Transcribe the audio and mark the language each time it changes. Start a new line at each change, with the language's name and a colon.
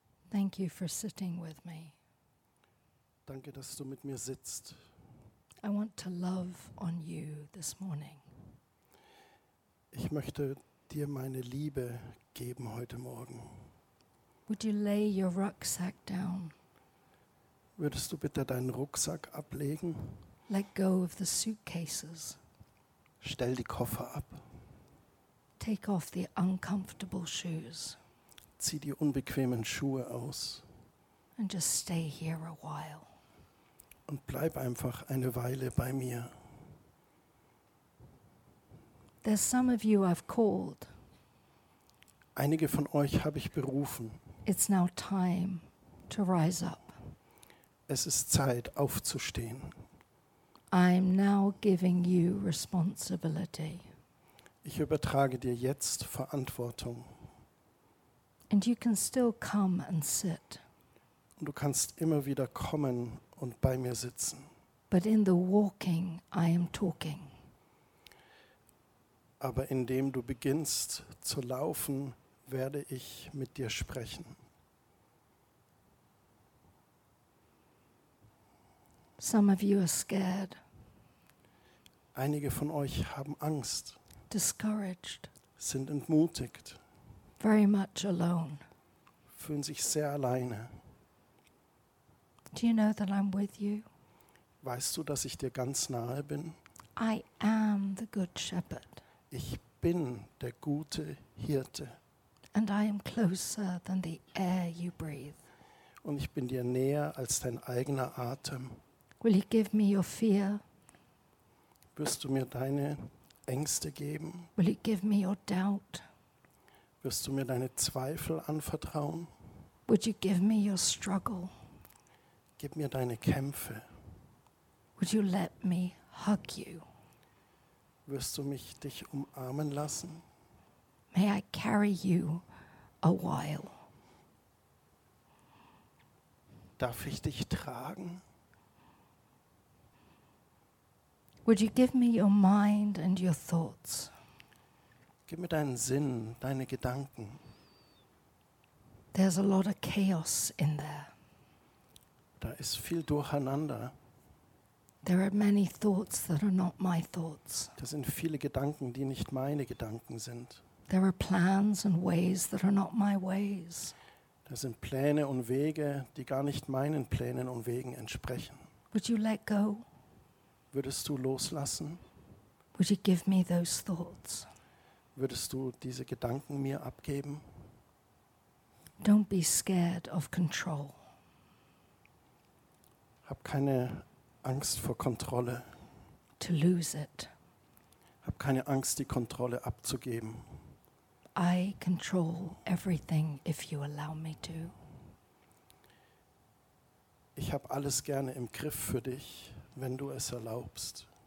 English: Thank you for sitting with me.
German: Danke, dass du mit mir sitzt.
English: I want to love on you this morning.
German: Ich möchte dir meine Liebe geben heute Morgen.
English: Would you lay your rucksack down?
German: Würdest du bitte deinen Rucksack ablegen?
English: Let go of the suitcases.
German: Stell die Koffer ab.
English: Take off the uncomfortable shoes.
German: Zieh die unbequemen Schuhe aus.
English: And just stay here a while.
German: Und bleib einfach eine Weile bei mir.
English: There's some of you I've called.
German: Einige von euch habe ich berufen.
English: It's now time to rise up.
German: Es ist Zeit aufzustehen.
English: I'm now giving you responsibility.
German: Ich übertrage dir jetzt Verantwortung.
English: And you can still come and sit.
German: Und du kannst immer wieder kommen und bei mir sitzen.
English: But in the walking, I am talking.
German: Aber indem du beginnst zu laufen, werde ich mit dir sprechen.
English: Some of you are scared.
German: Einige von euch haben Angst.
English: Discouraged.
German: Sind entmutigt.
English: Very much alone.
German: Fühlen sich sehr alleine.
English: Do you know that I'm with you?
German: Weißt du, dass ich dir ganz nahe bin?
English: I am the good shepherd.
German: Ich bin der gute Hirte.
English: And I am closer than the air you breathe.
German: Und ich bin dir näher als dein eigener Atem.
English: Will you give me your fear?
German: Wirst du mir deine Ängste geben?
English: Will you give me your doubt?
German: Wirst du mir deine Zweifel anvertrauen?
English: Would you give me your struggle?
German: Gib mir deine Kämpfe.
English: Would you let me hug you?
German: Wirst du mich dich umarmen lassen?
English: May I carry you a while?
German: Darf ich dich tragen?
English: Would you give me your mind and your thoughts?
German: Gib mir deinen Sinn, deine Gedanken.
English: There's a lot of chaos in there.
German: Da ist viel Durcheinander.
English: There are many thoughts that are not my thoughts.
German: Da sind viele Gedanken, die nicht meine Gedanken sind.
English: There are plans and ways that are not my ways.
German: Da sind Pläne und Wege, die gar nicht meinen Plänen und Wegen entsprechen.
English: Would you let go?
German: Würdest du loslassen?
English: Would you give me those thoughts?
German: Würdest du diese Gedanken mir abgeben?
English: Don't be scared of control.
German: Hab keine Angst vor Kontrolle.
English: To lose it.
German: Hab keine Angst, die Kontrolle abzugeben.
English: I control everything if you allow me to.
German: Ich habe alles gerne im Griff für dich, wenn du es erlaubst.